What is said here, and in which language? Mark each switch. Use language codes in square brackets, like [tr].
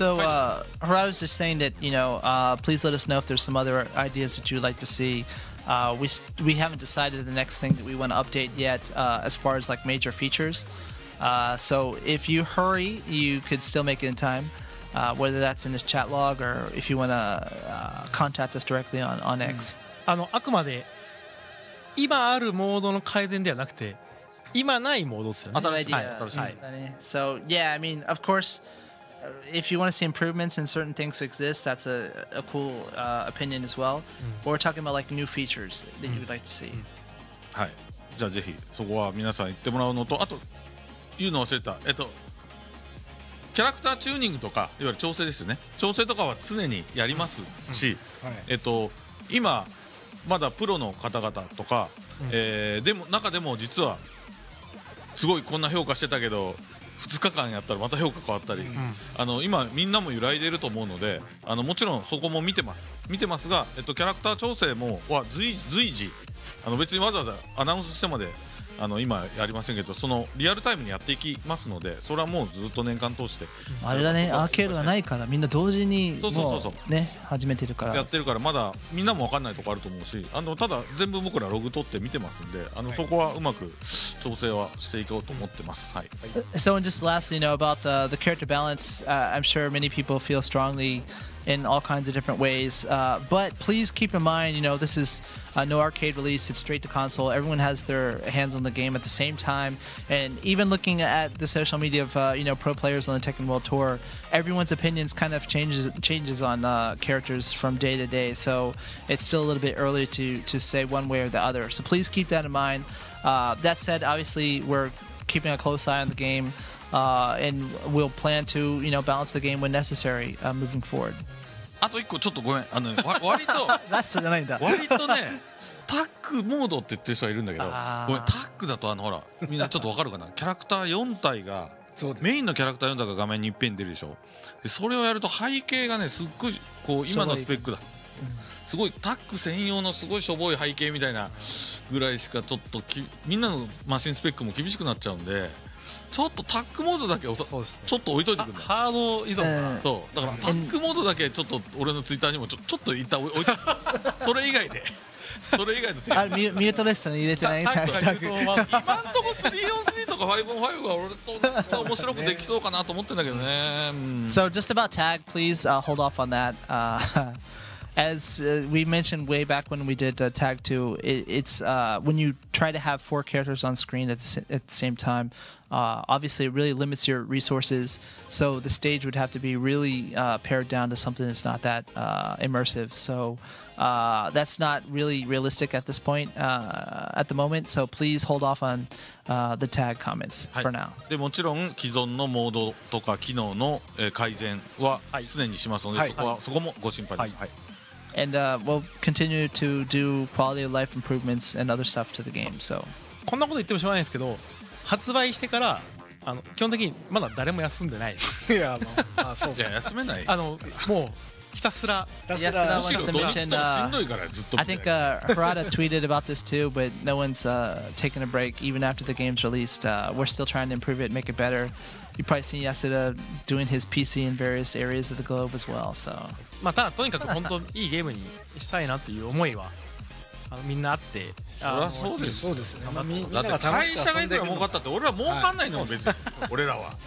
[en] And so, Harada was just saying that, you know, please let us know if there's some other ideas that you'd like to see. We haven't decided the next thing that we want to update yet, as far as like major features. So if you hurry, you could still make it in time. Whether that's in this chat log or if you want to contact us directly on X. [ja] あくまで今あるモードの改善ではなくて、今ないモードですよね。新しい、はい、新しい。 [en] So yeah, I mean, of course, if you want to see improvements and certain things exist, that's a cool opinion as well. But we're talking about like new features that you would like to see. [ja] はい。じゃあぜひそこは皆さん言ってもらうのと、あと言うの忘れた。キャラクターチューニングとか、いわゆる調整ですよね。調整とかは常にやりますし、今まだプロの方々とか、でも中でも実はすごいこんな評価してたけど2日間やったらまた評価変わったり、うん、今みんなも揺らいでると思うので、もちろんそこも見てますが、キャラクター調整もは随時別にわざわざアナウンスしてまで今やりませんけど、そのリアルタイムにやっていきますので、それはもうずっと年間通して、あれだね、アーケードがないからみんな同時にもう、そうそうそうね、始めてるからやってるから、まだみんなも分かんないとこあると思うし、ただ全部僕らログ取って見てますんで、そこはうまく調整はしていこうと思ってます。はい、 [en] So just lastly, you know, about the character balance, I'm sure many people feel strongly in all kinds of different ways. But please keep in mind, you know, this is no arcade release. It's straight to console. Everyone has their hands on the game at the same time. And even looking at the social media of, you know, pro players on the Tekken World Tour, everyone's opinions kind of changes on characters from day to day. So it's still a little bit early to say one way or the other. So please keep that in mind. That said, obviously, we're keeping a close eye on the game. And we'll plan to, you know, balance the game when necessary, moving forward. [ja] あと1個ちょっとごめん、あの、割とラストじゃないんだ。割とね、タッグモードって言ってる人はいるんだけど、ごめん、タッグだとあのほら、みんなちょっとわかるかな。キャラクター4体が、メインのキャラクター4体が画面にいっぺん出るでしょ。で、それをやると背景がね、すっごいこう今のスペックだ。すごいタック専用のすごいしょぼい背景みたいなぐらいしかちょっとみんなのマシンスペックも厳しくなっちゃうんで。ちょっとタックモードだけそうっす、ね、ちょっと置いといてくんだ。ハード依存かな。そうだからタックモードだけちょっと俺のツイッターにもちょっと一旦置いといて。それ以外でそれ以外のあれミュートレストに入れてない。タックとか今んとこ 3-on-3 とか 5-on-5 は俺と面白くできそうかなと思ってんだけどね。 [en] So just about tag, please hold off on that. As we mentioned way back when we did Tag 2, it's when you try to have four characters on screen at the same time, obviously it really limits your resources, so the stage would have to be really pared down to something that's not that immersive. So that's not really realistic at this point, at the moment, so please hold off on the Tag comments for now. [ja] でもちろん既存のモードとか機能の改善は常にしますので、はい、そこもご心配です。はいはい。 [en] And we'll continue to do quality of life improvements and other stuff to the game. So, [ja] こんなこと言ってもしょうがないですけど、発売してからあの基本的にまだ誰も休んでない。いやあの、あそうそう。いや休めない。あのもうひたすら。 [en] Yasuda wants to mention. I think Harada tweeted about this too, but no one's taking a break even after the game's released. We're still trying to improve it, make it better. You probably seen Yasuda doing his PC in various areas of the globe as well. So. [ja] まあ、ただとにかく本当にいいゲームにしたいなという思いはあのみんなあって、そりゃそうです、そうですね、まあ、みんなが楽しく遊んでる、会社がいくら儲かったって俺は儲かんないのも別に、はい、俺らは。